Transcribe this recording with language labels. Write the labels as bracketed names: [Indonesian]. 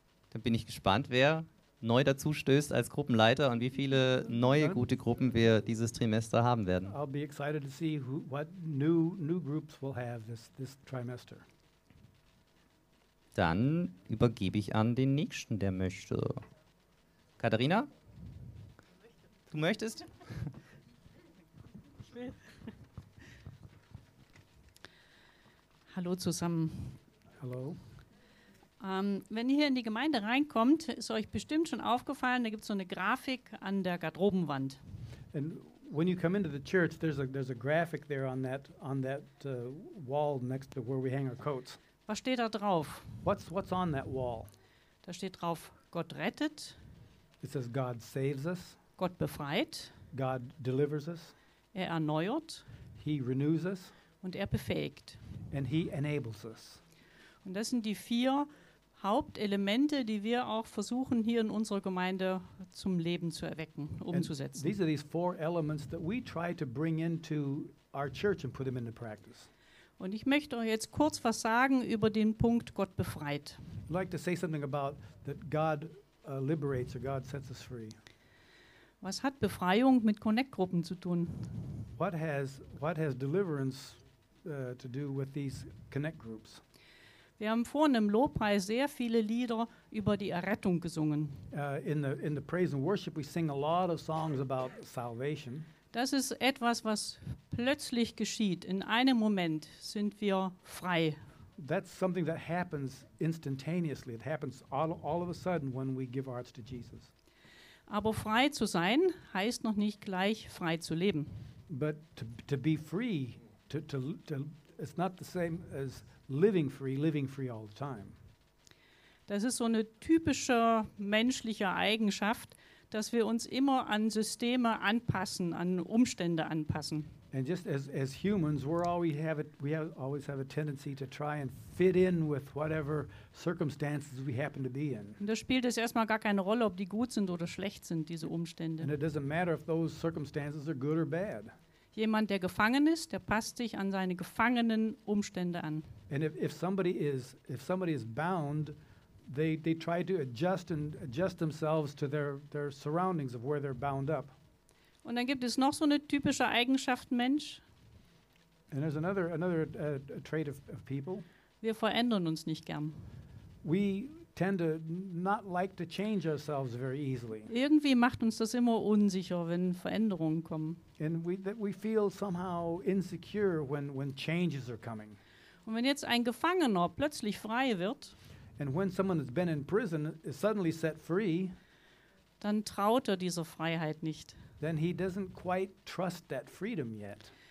[German] Dann bin ich gespannt, wer neu dazu stößt als Gruppenleiter und wie viele neue gute Gruppen wir dieses Trimester haben werden. [English] I'll be excited to see what new groups we'll have this trimester. [German] Dann übergebe ich an den nächsten, der möchte. Katharina? Du möchtest? Ich will. Hallo zusammen. Hallo. Wenn ihr hier in die Gemeinde reinkommt, ist euch bestimmt schon aufgefallen, da gibt es so eine Grafik an der Garderobenwand. [English] And when you come into the church, there's a graphic there on that wall next to where we hang our coats. [German] Was steht da drauf? [English] What's on that wall? [German] Da steht drauf, Gott rettet. [English] It says God saves us. [German] Gott befreit. [English] God delivers us. [German] Er erneuert. [English] He renews us. [German] Und er befähigt. [English] And he enables us. [German] Und das sind die vier Hauptelemente, die wir auch versuchen, hier in unserer Gemeinde zum Leben zu erwecken, umzusetzen. [English] These are these four elements that we try to bring into our church and put them into practice. [German] Und ich möchte euch jetzt kurz was sagen über den Punkt, Gott befreit. [English] I'd like to say something about that God liberates or God sets us free. [German] Was hat Befreiung mit Connect-Gruppen zu tun? [English] What has deliverance to do with these Connect-Groups? [German] Wir haben vorhin im Lobpreis sehr viele Lieder über die Errettung gesungen. [English] In the praise and worship we sing a lot of songs about salvation. [German] Das ist etwas, was plötzlich geschieht. In einem Moment sind wir frei. [English] That's something that happens instantaneously. It happens all of a sudden when we give our hearts to Jesus. [German] Aber frei zu sein heißt noch nicht gleich frei zu leben. [English] But to be free, to it's not the same as living free all the time. [German] Das ist so eine typische menschliche Eigenschaft, dass wir uns immer an Systeme anpassen, an Umstände anpassen. [English] And just as humans, we always have a tendency to try and fit in with whatever circumstances we happen to be in. [German] Und da spielt es erstmal gar keine Rolle, ob die gut sind oder schlecht sind, diese Umstände. [English] And it doesn't matter if those circumstances are good or bad. [German] Jemand, der gefangen ist, der passt sich an seine gefangenen Umstände an. [English] And if somebody is bound, they try to adjust themselves to their surroundings of where they're bound up. [German] Und dann gibt es noch so eine typische Eigenschaft, Mensch. [English] And there's another trait of people. [German] Wir verändern uns nicht gern. [English] We tend to not like to change ourselves very easily. [German] Irgendwie macht uns das immer unsicher, wenn Veränderungen kommen. [English] And we feel somehow insecure when changes are coming. [German] Und wenn jetzt ein Gefangener plötzlich frei wird, [English] and when someone has been in prison is suddenly set free, [German] dann traut er dieser Freiheit nicht. [English] Then he doesn't quite trust that freedom yet.